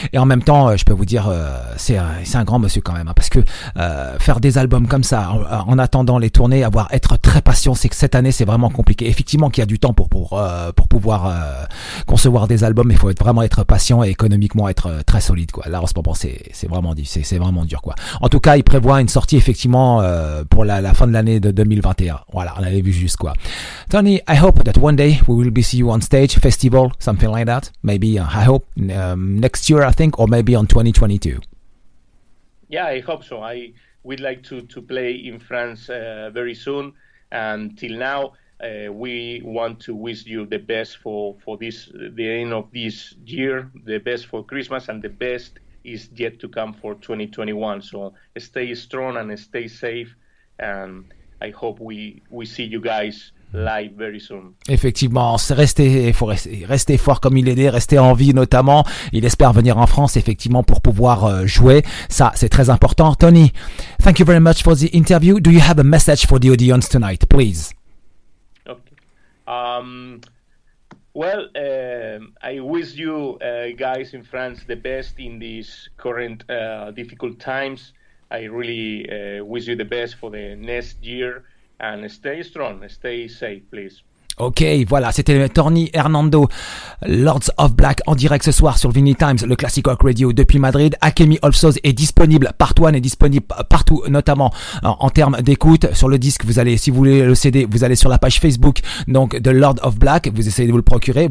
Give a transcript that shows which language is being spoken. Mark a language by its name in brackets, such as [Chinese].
[French] Et en même temps, je peux vous dire, c'est un grand monsieur quand même, hein, parce que faire des albums comme ça, en attendant les tournées, avoir être très patient, c'est que cette année c'est vraiment compliqué. Effectivement, qu'il y a du temps pour pouvoir concevoir des albums, il faut vraiment être patient et économiquement être très solide, quoi. Là, en ce moment, c'est vraiment dur. Quoi. En tout cas, il prévoit une sortie effectivement pour la fin de l'année de 2021. Voilà, on avait vu juste quoi. [English] Tony, I hope that one day we will be see you on stage, festival, something like that. Maybe I hope next year, I think, or maybe on 2022. Yeah, I hope so. I would like to play in France very soon. And till now, we want to wish you the best for this the end of this year, the best for Christmas, and the best. Is yet to come for 2021. So stay strong and stay safe. And I hope we see you guys live very soon. [French] Effectivement, il faut rester fort comme il est né, rester en vie notamment. Il espère venir en France effectivement pour pouvoir jouer. Ça, c'est très important. [English] Tony, thank you very much for the interview. Do you have a message for the audience tonight, please? Okay. Well, I wish you guys in France the best in these current difficult times. I really wish you the best for the next year and stay strong, stay safe, please. [French] Ok, voilà, c'était Tony Hernando, Lords of Black, en direct ce soir sur Vinyl Times, le Classic Rock Radio depuis Madrid. Alchemy of Souls est disponible, part 1 est disponible partout, notamment en termes d'écoute. Sur le disque, vous allez, si vous voulez le CD, vous allez sur la page Facebook donc de Lord of Black, vous essayez de vous le procurer.